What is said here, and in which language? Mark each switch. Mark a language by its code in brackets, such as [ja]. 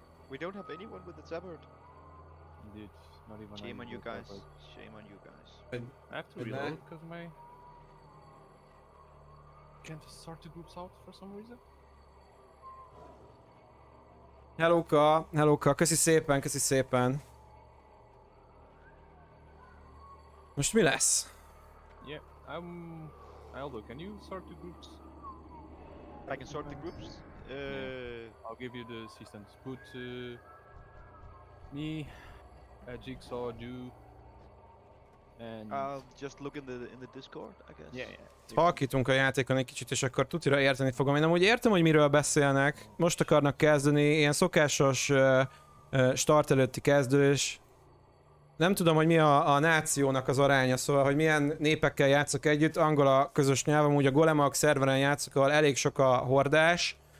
[en] We don't have anyone with the tabard. Indeed, not even shame on you guys. Tabard. Shame on you guys. I have to reload because my... Can't sort the groups out for some reason? [hu] Hello-ka, hello-ka, köszi szépen, köszi szépen. Most mi lesz? [en] Yeah, Aldo, can you sort the groups? I can sort the groups? Yeah. I'll give you the assistance. Put me, Jigsaw, Du, and... I'll just look in the Discord, I guess. Yeah. [hu] Talkítunk a játékon egy kicsit, és akkor tutira érteni fogom. Én amúgy értem, hogy miről beszélnek. Most akarnak kezdeni, ilyen szokásos start előtti kezdős. Nem tudom, hogy mi a nációnak az aránya, szóval, hogy milyen népekkel játszok együtt. Angol a közös nyelv, amúgy a Golemak szerveren játszok, ahol elég sok a hordás.